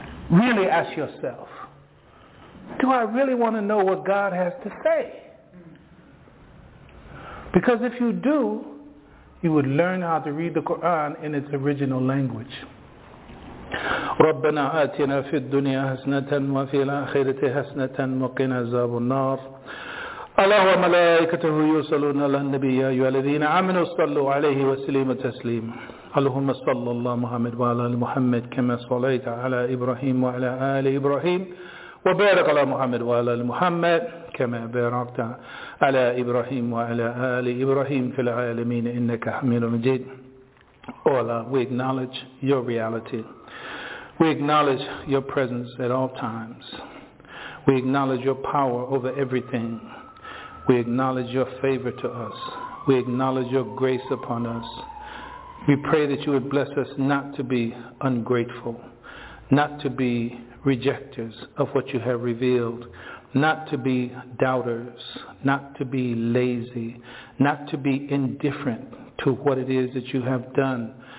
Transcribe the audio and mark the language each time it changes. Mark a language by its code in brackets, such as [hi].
[en] Really ask yourself, do I really want to know what God has to say? Because if you do, you would learn how to read the Quran in its original language. [ar] ربنا آتنا في الدنيا حسنة وفي الآخرة حسنة وقنا عذاب النار الله وملائكته يصلون على النبي يا أيها الذين آمنوا صلوا عليه وسلم تسليما اللهم صل الله محمد وعلى محمد كما صليت على إبراهيم وعلى آل إبراهيم وبارك على محمد وعلى محمد كما باركت على إبراهيم وعلى آل إبراهيم في العالمين إنك حميد مجيد. [en] Oh Allah, we acknowledge your reality. We acknowledge your presence at all times. We acknowledge your power over everything. We acknowledge your favor to us. We acknowledge your grace upon us. We pray that you would bless us not to be ungrateful, not to be rejectors of what you have revealed, not to be doubters, not to be lazy, not to be indifferent to what it is that you have done